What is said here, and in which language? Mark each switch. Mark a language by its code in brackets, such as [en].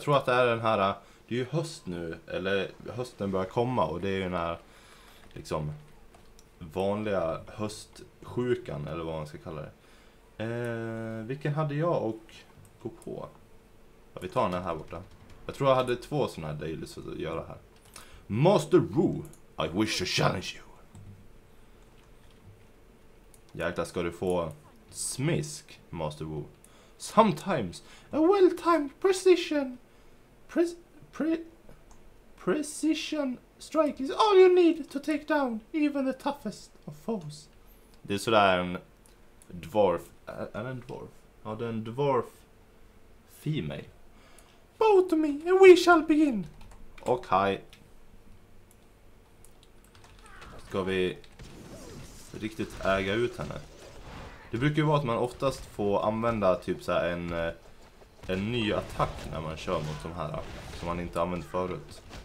[sv] Jag tror att det är den här, det är ju höst nu, eller hösten börjar komma, och det är ju den här liksom vanliga höstsjukan, eller vad man ska kalla det. Vilken hade jag och gå på? Ja, vi tar den här borta. Jag tror jag hade två såna här dailies att göra här. [en] Master Wu, I wish to challenge you. [sv] Jäklar, ska du få smisk, Master Wu. [en] Sometimes a well-timed precision. Precision strike is all you need to take down even the toughest of foes. [sv] Det är sådär en dwarf. Är det en dwarf? Ja, det är en dwarf female. [en] Bow to me and we shall begin. [sv] Okej. Ska vi riktigt äga ut henne? Det brukar ju vara att man oftast får använda typ så här en ny attack när man kör mot de här som man inte använt förut.